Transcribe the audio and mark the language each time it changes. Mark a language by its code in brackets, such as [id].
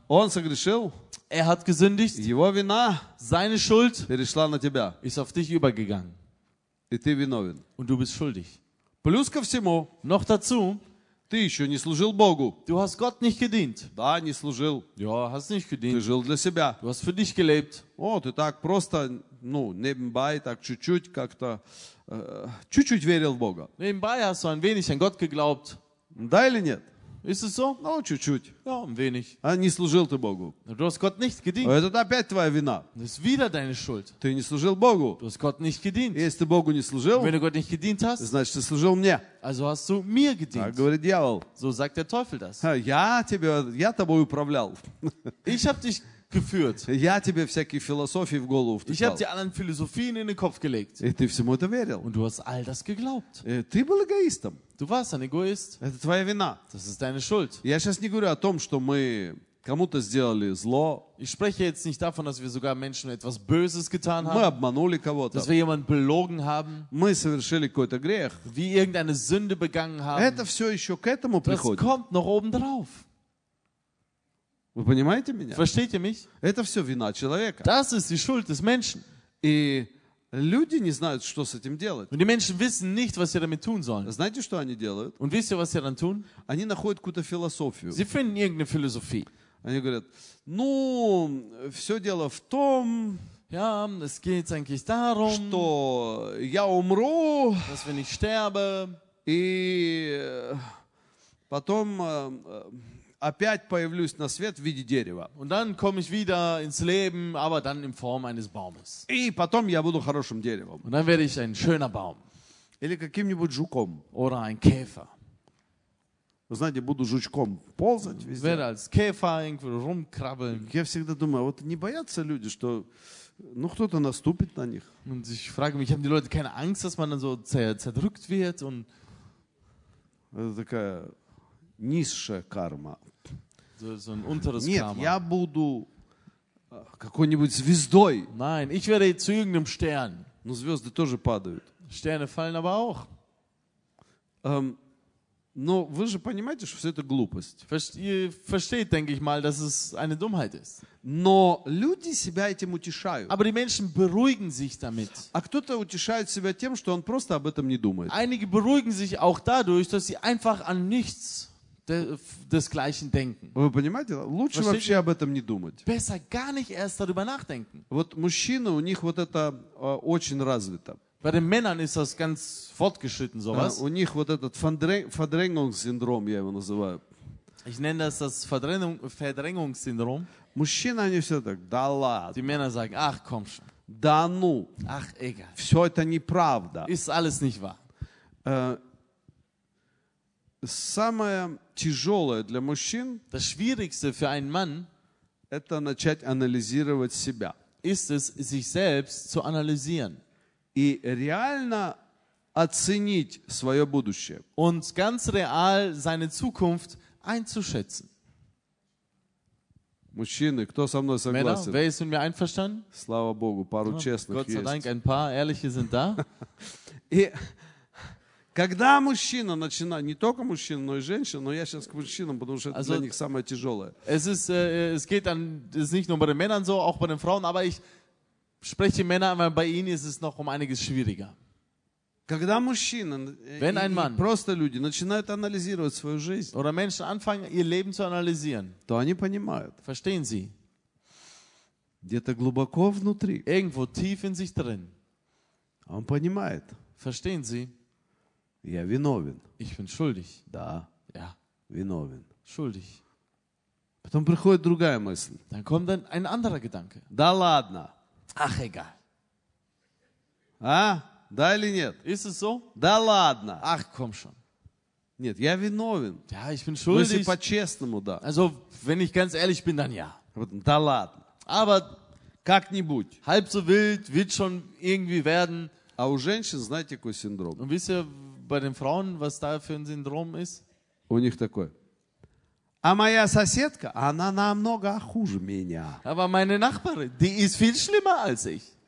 [ru] он согрешил. [de] Er hat gesündigt. [ru] Его вина, [de] seine Schuld, [ru] перешла на тебя. [de] Ist auf dich übergegangen. [ru] И ты виновен. [de] Und du bist schuldig. [ru] Плюс ко всему, [de] noch dazu, [ru] ты еще не служил Богу. [de] Du hast Gott nicht gedient. [ru] Да, не служил. [de] Ja, hast nicht gedient. [ru] Ты жил для себя. [de] Du hast für dich gelebt. [ru] О, ты так просто, ну, [de] nebenbei, [ru] так чуть-чуть как-то, чуть-чуть верил в Бога. [de] Nebenbei hast du ein wenig an Gott geglaubt. [ru] Да или нет? [de] Ist es so? [ru] Ну, чуть-чуть. [de] Ja, ein wenig. [ru] А не служил ты Богу. [de] Du hast Gott nicht gedient. [ru] Это опять твоя вина. [de] Das ist wieder deine Schuld. [ru] Ты не служил Богу. [de] Du hast Gott nicht gedient. [ru] Если ты Богу не служил, [de] wenn du Gott nicht gedient hast, [ru] значит, ты служил мне. [de] Also hast du mir gedient. [ru] Так говорит дьявол. [de] So sagt der Teufel das. Ja, [ru] тебе, я тобой управлял. [de] Ich hab dich geführt. [ru] Я тебе всякие философии в голову втыкал. [de] Ich hab dir allen Philosophien in den Kopf gelegt. [ru] И ты всему это верил. [de] Und du hast all das geglaubt. [ru] Ты был эгоистом. [de] Du warst ein Egoist. [ru] Это твоя вина. [de] Das ist deine Schuld. [ru] Я сейчас не говорю о том, что мы кому-то сделали зло. [de] Ich spreche jetzt nicht davon, dass wir sogar Menschen etwas Böses getan haben. [ru] Мы обманули кого-то. [de] Dass wir jemanden belogen haben. [ru] Мы совершили какой-то грех. [de] Wie irgendeine Sünde begangen haben. [ru] Это все еще к этому приходит. [de] Das kommt noch oben drauf. [ru] Вы понимаете меня? [de] Versteht ihr mich? [ru] Это все вина человека. [de] Das ist die Schuld des Menschen. [ru] И люди не знают, что с этим делать. [de] Und die Menschen wissen nicht, was sie damit tun sollen. [ru] Знаете, что они делают? [de] Und wisst ihr, was sie dann tun? [ru] Они находят какую-то философию. [de] Sie finden irgendeine Philosophie. [ru] Они говорят, ну, все дело в том, [de] ja, es geht eigentlich darum, [ru] что я умру, [de] dass wenn ich sterbe, [ru] и потом опять появлюсь на свет в виде дерева. [de] Und dann komme ich wieder ins Leben, aber dann in Form eines Baumes. [ru] И потом я буду хорошим деревом. [de] Und dann werde ich ein schöner Baum. [ru] Или каким-нибудь жуком. [de] Oder ein Käfer. [ru] Знаете, буду жучком ползать везде. [de] Werde als Käfer irgendwo rumkrabbeln. [ru] Я всегда думаю, вот не боятся люди, что ну кто-то наступит на них. [de] Und ich frage mich, haben die Leute keine Angst, dass man dann so zerdrückt wird? Und [ru] это такая низшая карма. [de] So ein unteres [ru] Нет, [de] Karma. [ru] Я буду какой-нибудь звездой. [de] Nein, ich werde zu irgendeinem Stern. [ru] Но звезды тоже падают. [de] Sterne fallen aber auch. [ru] Но вы же понимаете, что все это глупость. [de] Versteht, denke ich mal, dass es eine Dummheit ist. [ru] Но люди себя этим утешают. [de] Aber die Menschen beruhigen sich damit. [ru] А кто-то утешает себя тем, что он просто об этом не думает. [de] Einige beruhigen sich auch dadurch, dass sie einfach an nichts desgleichen denken. [ru] Вы понимаете? Лучше [de] Versteht [ru] вообще об этом не думать. [de] Besser gar nicht erst darüber nachdenken. [ru] Вот мужчины, у них вот это очень развито. [de] Bei den Männern ist das ganz fortgeschritten, sowas. [ru] У них вот этот Verdrängungssyndrom, я его называю. [de] Ich nenne das das Verdrängungssyndrom. [ru] Мужчины, они все так, да ладно. [de] Die Männer sagen, ach komm schon. [ru] Да ну. [de] Ach egal. [ru] Все это неправда. [de] Ist alles nicht wahr. [ru] Самое тяжелое для мужчин, [de] das Schwierigste für einen Mann, [ru] это начать анализировать себя. [de] Ist es, sich selbst zu analysieren. [ru] И реально оценить свое будущее. [de] Und ganz real seine Zukunft einzuschätzen. [ru] Мужчины, кто со мной согласен? [de] Männer, wer ist mit mir einverstanden? [ru] Слава Богу, пару честных есть. [de] Gott sei Dank, ein paar ehrliche sind da. [ru] И когда мужчина начинает, не только мужчина, но и женщина, но я сейчас к мужчинам, потому что это для них самое тяжелое. [de] Es ist, es geht an, es ist nicht nur bei den Männern so, auch bei den Frauen, aber ich spreche die Männer, aber bei ihnen ist es noch um einiges schwieriger. [ru] Когда мужчина, [de] wenn ein Mann, [ru] просто люди начинают анализировать свою жизнь, [de] oder Menschen anfangen, ihr Leben zu analysieren, [ru] то они понимают, [de] verstehen sie, [ru] где-то глубоко внутри, [de] irgendwo tief in sich drin, [ru] он понимает, [de] verstehen sie, [ru] я виновен. [de] Ich bin schuldig. [ru] Да. [de] Ja. [ru] Виновен. [de] Schuldig. [ru] Потом приходит другая мысль. [de] Dann kommt dann ein anderer Gedanke. [ru] Да ладно. [de] Ach, egal. [ru] А? Да или нет? [de] Ist es so? [ru] Да ладно. [de] Ach, komm schon. [ru] Нет, я виновен. [de] Ja, ich bin schuldig. [ru] Если по-честному, да. [de] Also, wenn ich ganz ehrlich bin, dann ja. [ru] Да ладно. [de] Aber [ru] как-нибудь. [de] Halb so wild wird schon irgendwie werden. [ru] А у женщин, знаете, какой синдром? [de] Und wisst ihr bei den Frauen, was da für ein Syndrom ist? [ru] У них такой. А моя соседка, она намного хуже меня. [de] Aber meine Nachbarin, die ist viel schlimmer als ich.